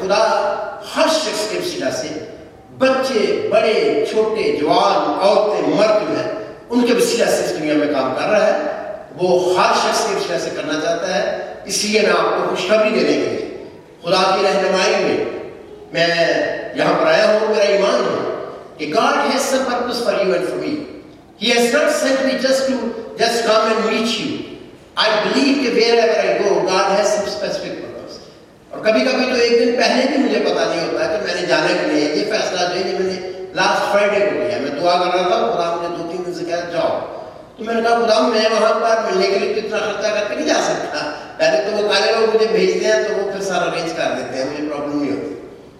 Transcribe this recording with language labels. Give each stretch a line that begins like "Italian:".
Hindi: खुदा हर शख्स के वसीले से बच्चे बड़े छोटे जवान औरतें मर्द जो है उनके वसीले से इस दुनिया में काम कर रहा है, वो हर शख्स के वसीले से करना चाहता है। इसलिए मैं आपको खुशखबरी देने के लिए खुदा की रहनुमाई में मैं यहां पर आया हूं। मेरा ईमान है कि
English: God has some purpose for you and for me. He has not sent me just to come and meet you. I believe that wherever I go, God has some specific purpose.
Hindi: और कभी-कभी तो एक दिन पहले भी मुझे पता नहीं होता कि मैंने जाने के लिए ये फैसला लिया, मैंने
English: last Friday
Hindi: को लिया। मैं दुआ कर रहा था, खुदा मुझे दो तीन दिन से कहा जाओ, तो मैंने कहा खुदा मैं वहां पर मिलने के लिए कितना खर्चा करके नहीं जा सकता, पहले तो वो काले लोग मुझे भेजते हैं तो वो फिर सारा अरेंज कर देते हैं, मुझे प्रॉब्लम नहीं होती।